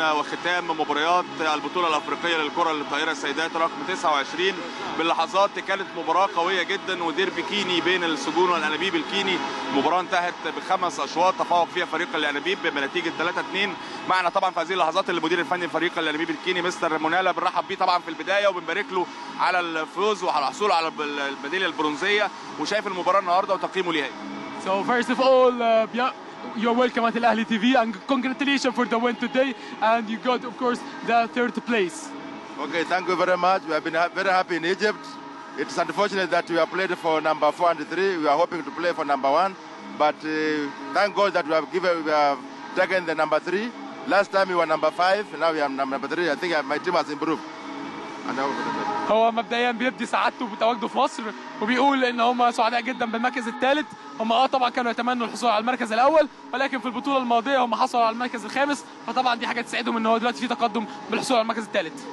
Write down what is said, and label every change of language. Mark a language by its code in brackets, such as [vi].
[ar] وختام مباريات البطوله الافريقيه للكره الطايره السيدات رقم 29 باللحظات، كانت مباراه قويه جدا وديربي كيني بين السجون والانابيب الكيني. مباراه انتهت بخمس اشواط تفوق فيها فريق الانابيب بنتيجه 3-2. معنا طبعا في هذه اللحظات المدير الفني لفريق الانابيب الكيني مستر مونالا، بنرحب بيه طبعا في البدايه وبنبارك له على الفوز وعلى حصوله على الميداليه البرونزيه، وشايف المباراه النهارده وتقييمه ليها. [en] So first of all, you're welcome at Al-Ahli TV and congratulations for the win today. And you got, of course, the third place. Okay, thank you very much. We have been very happy in Egypt. It's unfortunate that we have played for number 403. We are hoping to play for number one. But thank God that we have taken the number three. Last time we were number five, now we are number three. I think my team has improved. [ar] هو مبدئيا بيبدي سعادته بتواجده في مصر وبيقول ان هم سعداء جدا بالمركز الثالث. هم طبعا كانوا يتمنوا الحصول على المركز الاول، ولكن في البطوله الماضيه هم حصلوا على المركز الخامس، فطبعا دي حاجه تسعدهم ان هو دلوقتي في تقدم بالحصول على المركز الثالث.